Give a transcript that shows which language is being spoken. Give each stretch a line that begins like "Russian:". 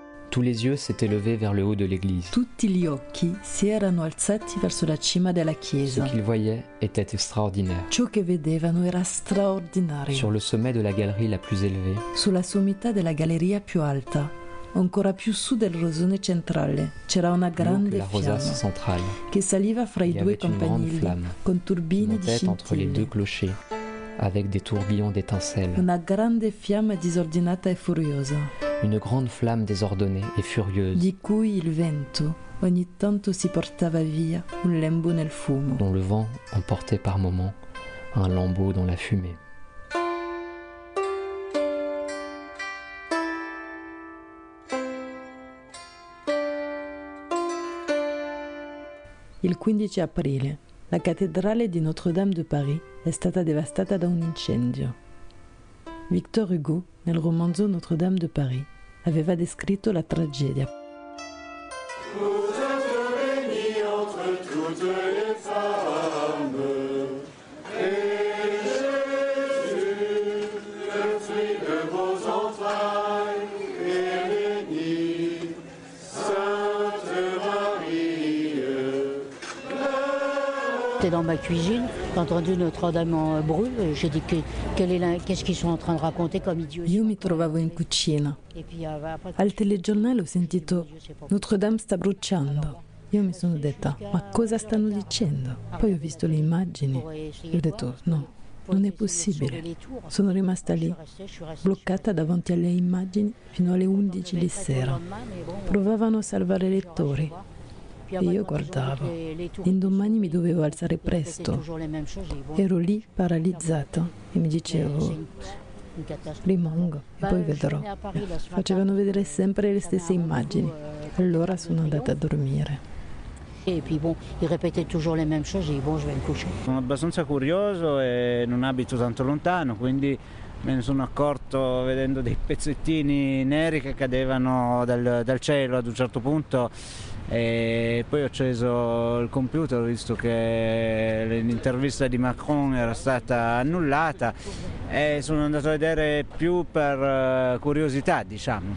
French: Tous les yeux s'étaient levés vers le haut de l'église.
Italian: Tutti gli occhi si erano alzati verso la cima della chiesa.
French: Ce qu'ils voyaient était extraordinaire.
Italian: Ciò che vedevano era straordinario.
French: Sur le sommet de la galerie la plus élevée.
Italian: Sulla sommità della galleria più alta. Ancora più su del rosone centrale c'era una grande fiamma centrale, che saliva fra i due campanili con turbine di scintille.
French: Entre les deux clochers, avec des tourbillons d'étincelles.
Italian: Una grande fiamma disordinata e furiosa.
French: Une grande flamme désordonnée et furieuse.
Italian: Di cui il vento ogni tanto si portava via un lembo nel fumo.
French: Dont le vent emportait par moments un lambeau dans la fumée.
Italian: Il 15 aprile, la cattedrale di Notre-Dame de Paris è stata devastata da un incendio. Victor Hugo, nel romanzo Notre-Dame de Paris, aveva descritto la tragedia.
French: Vous êtes bénie entre toutes les femmes, et Jésus, le fruit de vos entrailles, est béni. Sainte Marie, t'es dans ma cuisine. J'ai entendu Notre-Dame en brûle, j'ai dit qu'est-ce qu'ils sont en train de raconter comme idiots.
Italian: Io mi trovavo in cucina. Al telegiornale ho sentito Notre-Dame sta bruciando. Io mi sono detta, ma cosa stanno dicendo? Poi ho visto le immagini e ho detto, no, non è possibile. Sono rimasta lì, bloccata davanti alle immagini fino alle 11 di sera. Provavano a salvare le torri. E io guardavo. L'indomani mi dovevo alzare presto. Ero lì paralizzata e mi dicevo, rimango e poi vedrò. Facevano vedere sempre le stesse immagini. Allora sono andata a dormire. E poi,
French: bon, il ripete toujours le même chose, bon, je vais me coucher.
Italian: Sono abbastanza curioso e non abito tanto lontano, quindi me ne sono accorto vedendo dei pezzettini neri che cadevano dal cielo ad un certo punto. E poi ho acceso il computer, visto che l'intervista di Macron era stata annullata, e sono andato a vedere più per curiosità, diciamo.